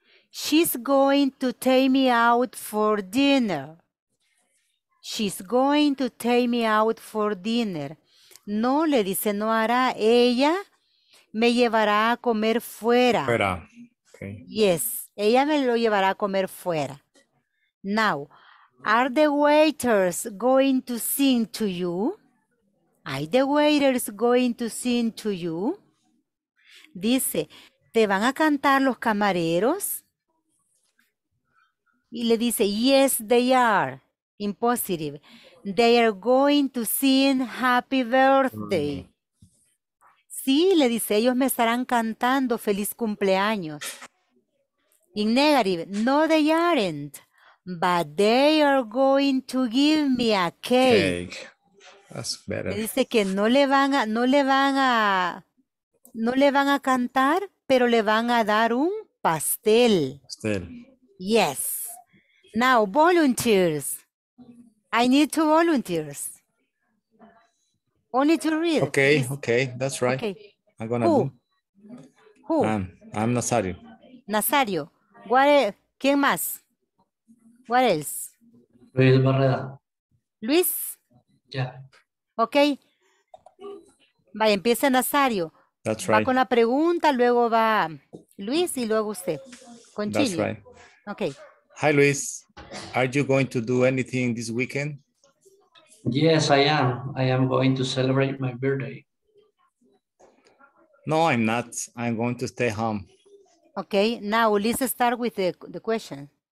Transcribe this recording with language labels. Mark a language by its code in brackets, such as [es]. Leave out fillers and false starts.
[en] She's going to take me out for dinner. She's going to take me out for dinner. [es] No, le dice, no hará. Ella me llevará a comer fuera. Fuera. Okay. Yes, ella me lo llevará a comer fuera. [en] Now, are the waiters going to sing to you? Are the waiters going to sing to you? [es] Dice, ¿te van a cantar los camareros? Y le dice, [en] yes, they are. In positive. They are going to sing happy birthday. [es] Sí, le dice, ellos me estarán cantando feliz cumpleaños. [en] In negative, no, they aren't. But they are going to give me a cake. That's better. [es] Dice que no le van a cantar, pero le van a dar un pastel. Pastel. [en] Yes. Now, volunteers. I need two volunteers. Only to read. Okay, okay, that's right. Okay. I'm gonna who? Do. Who? I'm Nazario. Nazario. What? [es] ¿Quién más? [en] What else? Luis Barreda. Luis? Yeah. [es] Okay. Vaya, empieza Nazario. [en] That's right. [es] Va con la pregunta, luego va Luis y luego usted. Con [en] That's Chile. Right. Okay. Hi, Luis. Are you going to do anything this weekend? Yes, I am. I am going to celebrate my birthday. No, I'm not. I'm going to stay home. Okay. Now, let's start with the question.